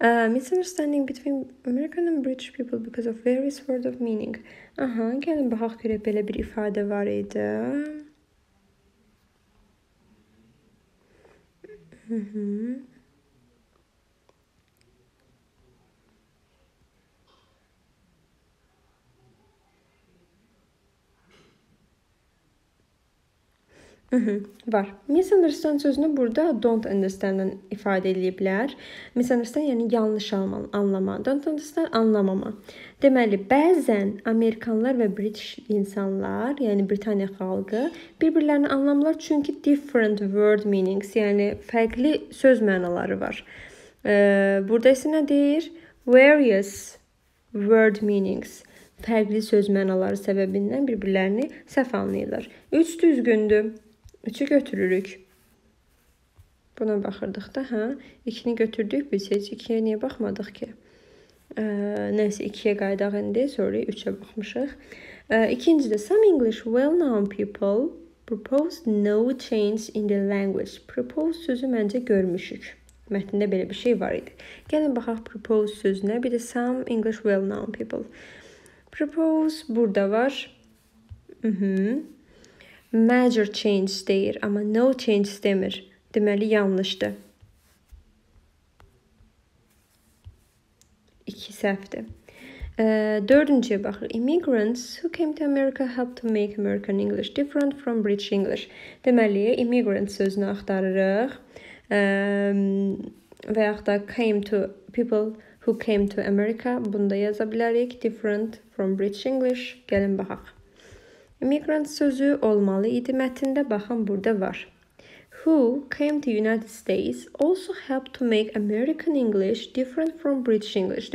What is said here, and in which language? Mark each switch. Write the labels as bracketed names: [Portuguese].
[English] Misunderstanding between American and British people because of various words of meaning. [Azerbaijani] Aha, gəlin baxaq görə belə bir ifadə var idi. Hı-hı. [Turkish] Var. Misunderstand sözünü burada don't understand'dan ifade edilebilir. Misunderstand yani yanlış anlama. Don't understand anlamama. [Azerbaijani] Deməli, bəzən Amerikanlar və British insanlar, yəni Britaniya xalqı, bir-birlərini anlamlar çünki [English] different word meanings, [Azerbaijani] yəni fərqli söz mənaları var. Burada isə nə deyir? [English] Various word meanings. [Azerbaijani] Fərqli söz mənaları səbəbindən bir-birlərini səhv anlayırlar. Üç düzgündür. Üçü götürürük. Buna baxırdıq da, hə? İkini götürdük biz. Heç ikiyə niyə baxmadıq ki? Nəsə, ikiyə qaydaq indi. Sorry, üçə baxmışıq. İkinci də, [English] some English well-known people proposed no change in the language. [Azerbaijani] Proposed sözü məncə görmüşük. Mətnində belə bir şey var idi. Gəlin baxaq proposed sözünə. Bir də [English] some English well-known people. [Azerbaijani] Propose burada var. Major change deyir, amma no change demir. Deməli, yanlışdır. İki səhvdir. Dördüncüyə baxır. [English] Immigrants who came to America helped to make American English different from British English. [Azerbaijani] Deməli, immigrants sözünü axtarırıq. Və yaxud da [English] came to people who came to America. [Azerbaijani] Bunu da yaza bilərik. [English] Different from British English. [Azerbaijani] Gəlin, baxaq. Immigrant sözü olmalı idi mətində, baxın, burada var. [English] Who came to United States also helped to make American English different from British English.